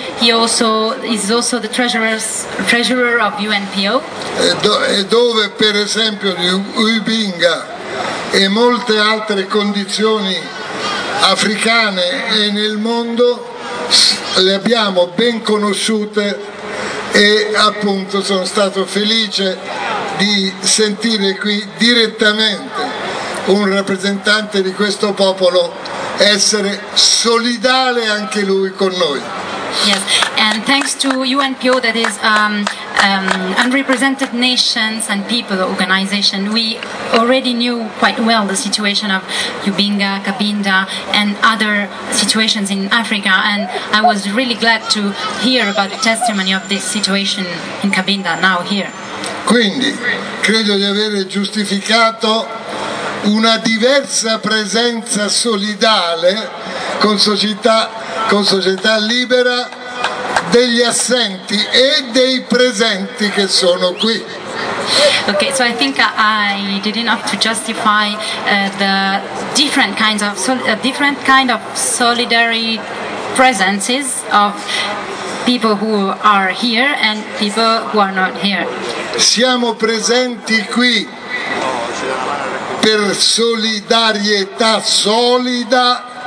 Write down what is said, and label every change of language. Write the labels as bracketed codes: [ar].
[en] He also is also the treasurer of UNPO. [it] E dove, per esempio, di Uibinga e molte altre condizioni africane e nel mondo le abbiamo ben conosciute. E appunto sono stato felice di sentire qui direttamente un rappresentante di questo popolo essere solidale anche lui con noi. [en] Yes, and thanks to UNPO, that is unrepresented nations and people organization, we already knew quite well the situation of Uibinga, Cabinda and other situations in Africa, and I was really glad to hear about the testimony of this situation in Cabinda now here. [it] Quindi credo di avere giustificato una diversa presenza solidale con società libera degli assenti e dei presenti che sono qui. [en] Okay, so I think I did enough to justify the different kind of solidary presences of people who are here and people who are not here. [it] Siamo presenti qui per solidarietà solida.